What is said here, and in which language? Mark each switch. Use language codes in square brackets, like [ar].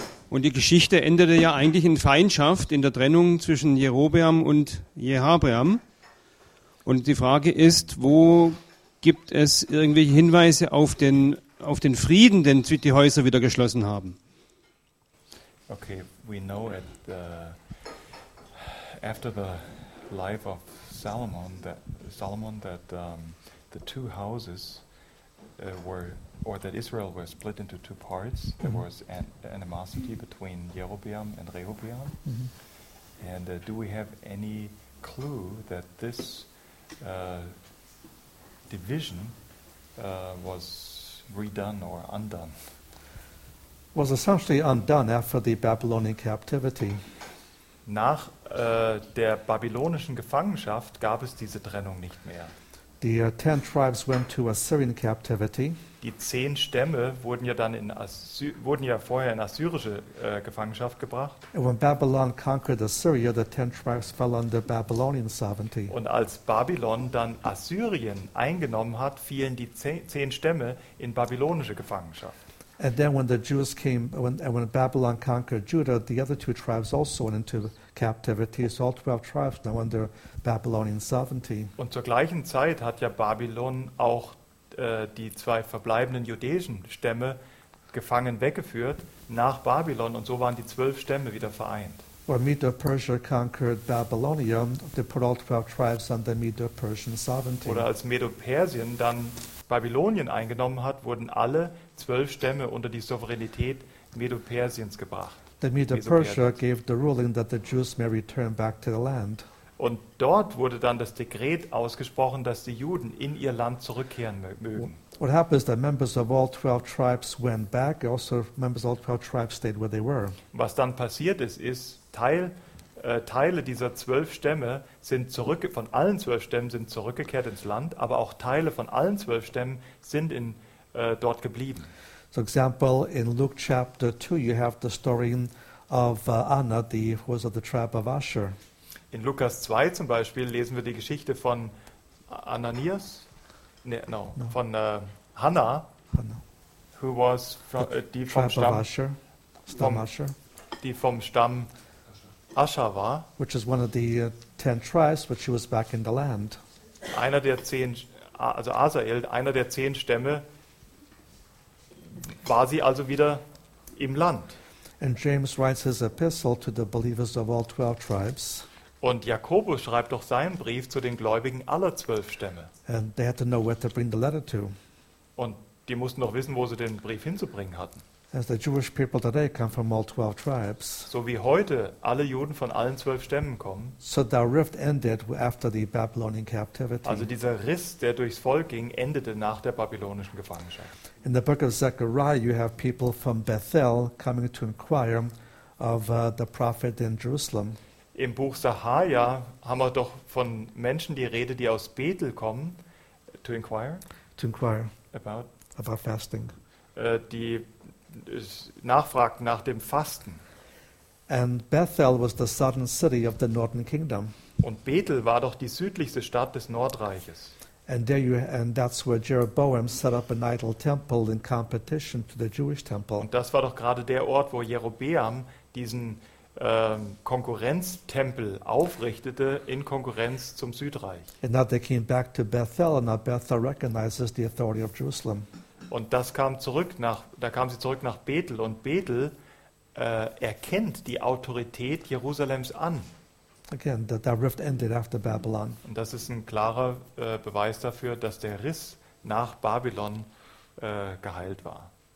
[de] Und die Geschichte endete ja eigentlich in Feindschaft, in der Trennung zwischen Jerobeam und Jehabeam. Und die Frage ist, wo gibt es irgendwelche Hinweise auf den Frieden, den die Häuser wieder geschlossen haben? [en] Okay, we know at the, after the life of Solomon that the two houses were, or that Israel was split into two parts. Mm-hmm. There was animosity between Jeroboam and Rehoboam. Mm-hmm. And do we have any clue that this division was redone or undone? Was essentially undone after the Babylonian captivity. [de] Nach der babylonischen Gefangenschaft gab es diese Trennung nicht mehr. [en] The 10 tribes went to Assyrian captivity. [de] Die 10 Stämme wurden ja dann vorher in assyrische Gefangenschaft gebracht. [en] And when Babylon conquered Assyria, the 10 tribes fell under Babylonian sovereignty. [de] Und als Babylon dann Assyrien eingenommen hat, fielen die 10 Stämme in babylonische Gefangenschaft. [en] And then when Babylon conquered Judah, the other two tribes also went into captivity. So all 12 tribes now under Babylonian sovereignty. [de] Und zur gleichen Zeit hat ja Babylon auch die 2 verbleibenden jüdischen Stämme gefangen weggeführt nach Babylon, und so waren die 12 Stämme wieder vereint. [en] When Medo-Persia conquered Babylonia, they put all 12 tribes under Medo-Persian sovereignty. [de] Oder als Medo-Persien dann Babylonien eingenommen hat, wurden alle 12 Stämme unter die Souveränität Medo-Persiens gebracht. [en] The Medo-Persia gave the ruling that the Jews may return back to the land. [de] Und dort wurde dann das Dekret ausgesprochen, dass die Juden in ihr Land zurückkehren mögen. [en] What happens is that members of all 12 tribes went back, also members of all 12 tribes stayed where they were. [de] Was dann passiert ist, ist Teile dieser 12 Stämme von allen 12 Stämmen sind zurückgekehrt ins Land, aber auch Teile von allen 12 Stämmen sind dort geblieben. [en] So example in Luke chapter 2 you have the story of Anna, the who was of the tribe of Asher. [de] In Lukas 2 zum Beispiel lesen wir die Geschichte von Ananias, von Hannah, [en] who was from, [de] die vom Stamm Asher, Stamm Asher, die vom Stamm Asher war, [en] which is one of the 10 tribes, but she was back in the land. [de] Einer der 10, also Asael, einer der 10 Stämme, war sie also wieder im Land. [en] And James writes his epistle to the believers of all 12 tribes. [de] Und Jakobus schreibt doch seinen Brief zu den Gläubigen aller 12 Stämme. [en] And they had to know where to bring the letter to. [de] Und die mussten doch wissen, wo sie den Brief hinzubringen hatten. [en] As the Jewish people today come from all 12 tribes. [de] So wie heute alle Juden von allen 12 Stämmen kommen. [en] So the rift ended after the Babylonian captivity. [de] Also dieser Riss, der durchs Volk ging, endete nach der babylonischen Gefangenschaft. [en] In the book of Zechariah you have people from Bethel coming to inquire of the prophet in Jerusalem. [de] Im Buch Sahaja haben wir doch von Menschen die Rede, die aus Bethel kommen, [en] to inquire about fasting. [de] Die nachfragt nach dem Fasten. [en] And Bethel was the southern city of the northern kingdom. [de] Und Bethel war doch die südlichste Stadt des Nordreiches. [en] And that's where Jeroboam set up an idol temple in competition to the Jewish temple. [de] Und das war doch gerade der Ort, wo Jeroboam diesen Konkurrenztempel aufrichtete in Konkurrenz zum Südreich. [en] And now they came back to Bethel, and now Bethel recognizes the authority of Jerusalem. [de] Und das kam zurück nach, da kam sie zurück nach Bethel, und Bethel erkennt die Autorität Jerusalems an. [en] Again, the rift ended after Babylon. [de] Und das ist ein klarer Beweis dafür, dass der Riss nach Babylon geheilt war.